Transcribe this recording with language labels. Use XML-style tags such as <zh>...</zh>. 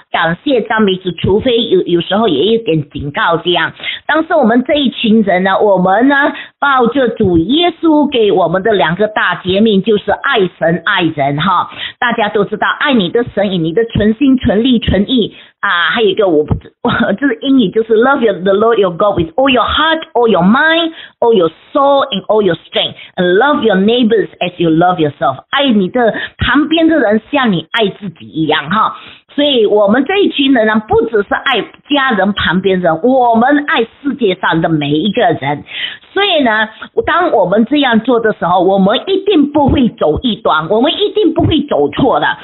<zh>感谢赞美主，除非有时候也有点警告这样。但是我们这一群人呢，我们呢抱着主耶稣给我们的两个大诫命，就是爱神爱人哈。大家都知道，爱你的神以你的全心全力全意。还有一个我这是英语，就是</zh> <en>love the Lord your God with all your heart, all your mind, all your soul and all your strength, and love your neighbors as you love yourself.</en> <zh>爱你的旁边的人像你爱自己一样哈。所以我们这一群人呢，不只是爱家人旁边人，我们爱世界上的每一个人。所以呢，当我们这样做的时候，我们一定不会走一端，我们一定不会走错的。</zh>